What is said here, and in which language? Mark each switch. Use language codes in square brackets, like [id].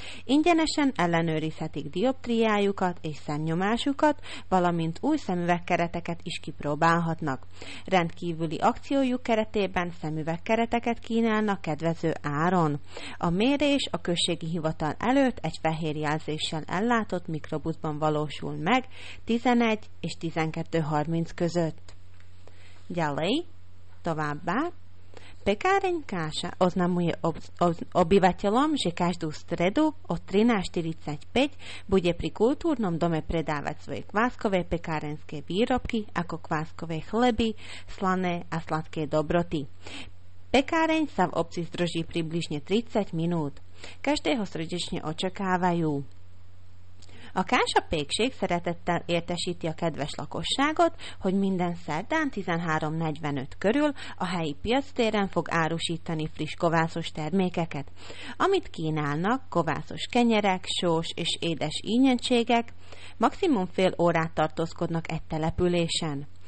[hu] Ingyenesen ellenőrizhetik dioptriájukat és szemnyomásukat, valamint új szemüvegkereteket is kipróbálhatnak. Rendkívüli akciójuk keretében szemüvegkereteket kínálnak kedvező áron. A mérés a községi hivatal előtt egy fehér jelzéssel ellátott mikrobuszban valósul meg 11 és 12.30 között. [sk] Ďalej, [hu] továbbá, [sk] pekáreň Káša oznamuje obyvateľom, že každú stredu od 13.45 bude pri kultúrnom dome predávať svoje kváskové pekárenské výrobky ako kváskové chleby, slané a sladké dobroty. Pekáreň sa v obci zdrží približne 30 minút. Každého srdečne očakávajú. [hu] A Kása Pékség szeretettel értesíti a kedves lakosságot, hogy minden szerdán 13.45 körül a helyi piactéren fog árusítani friss kovászos termékeket. Amit kínálnak, kovászos kenyerek, sós és édes ínyentségek, maximum fél órát tartózkodnak egy településen.